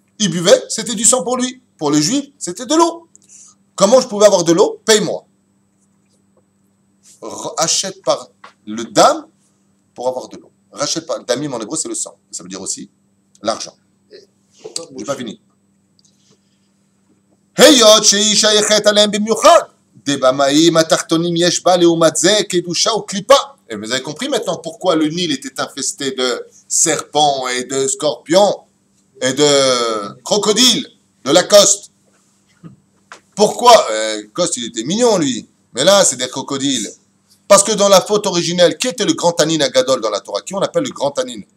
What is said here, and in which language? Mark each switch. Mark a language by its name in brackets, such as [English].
[French] Il buvait, c'était du sang pour lui. Pour les Juifs, c'était de l'eau. Comment je pouvais avoir de l'eau? Paye-moi. Achète par le dam pour avoir de l'eau. Rachète pas. Damim en hébreu, c'est le sang. Ça veut dire aussi l'argent. Je n'ai pas fini. [Hebrew] היות שהיא שייכת עליהם במיוחד. דבמאים התחתונים יש בה לעומת זה קדושה וקליפה. [French] Et vous avez compris maintenant pourquoi le Nil était infesté de serpents et de scorpions et de crocodiles de la coste. Pourquoi ? Coste, il était mignon, lui. Mais là, c'est des crocodiles. Parce que dans la faute originelle, qui était le grand Tanin Agadol dans la Torah ? Qui on appelle le grand Tanin ?